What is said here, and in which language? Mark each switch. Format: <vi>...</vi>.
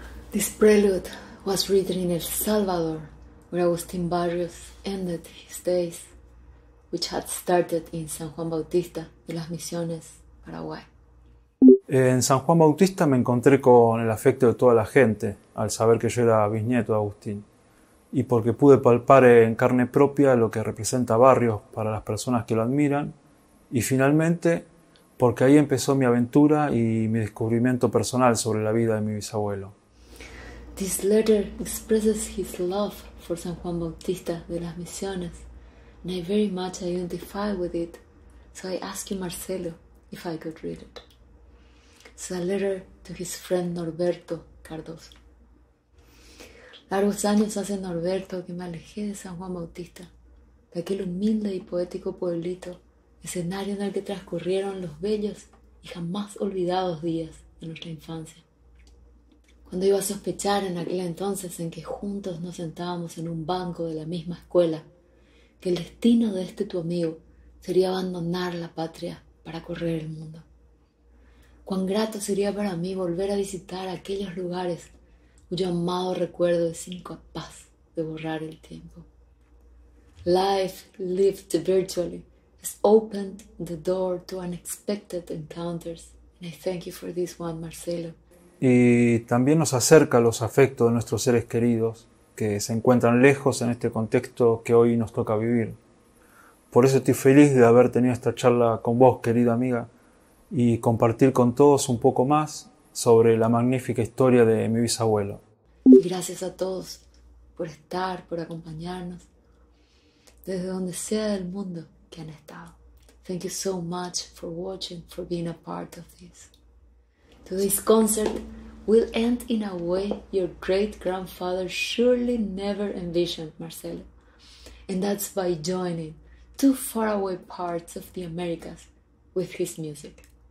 <en>This prelude was written in El Salvador, where Agustin Barrios ended his days, which had started in San Juan Bautista de las Misiones, Paraguay.</en> <es>En San Juan Bautista me encontré con el afecto de toda la gente al saber que yo era bisnieto de Agustín, y porque pude palpar en carne propia lo que representa Barrios para las personas que lo admiran, y finalmente porque ahí empezó mi aventura y mi descubrimiento personal sobre la vida de mi bisabuelo.</es> <en>This letter expresses his love for San Juan Bautista de las Misiones, and I very much identify with it, so I ask you, Marcelo, if I could read it. It's a letter to his friend Norberto Cardoso.</en> <es>Largos años hace Norberto que me alejé de San Juan Bautista, de aquel humilde y poético pueblito, escenario en el que transcurrieron los bellos y jamás olvidados días de nuestra infancia. Cuando iba a sospechar en aquel entonces en que juntos nos sentábamos en un banco de la misma escuela, que el destino de este tu amigo sería abandonar la patria para correr el mundo. Cuán grato sería para mí volver a visitar aquellos lugares cuyo amado recuerdo es incapaz de borrar el tiempo.</es> <en>Life lived virtually has opened the door to unexpected encounters, and I thank you for this one, Marcelo.</en> <es>Y también nos acerca los afectos de nuestros seres queridos, que se encuentran lejos en este contexto que hoy nos toca vivir. Por eso estoy feliz de haber tenido esta charla con vos, querida amiga, y compartir con todos un poco más sobre la magnífica historia de mi bisabuelo. Y gracias a todos por estar, por acompañarnos, desde donde sea del mundo que han estado.</es> <en>Thank you so much for watching, for being a part of this. Today's concert will end in a way your great-grandfather surely never envisioned, Marcelo. And that's by joining two faraway parts of the Americas with his music.</en>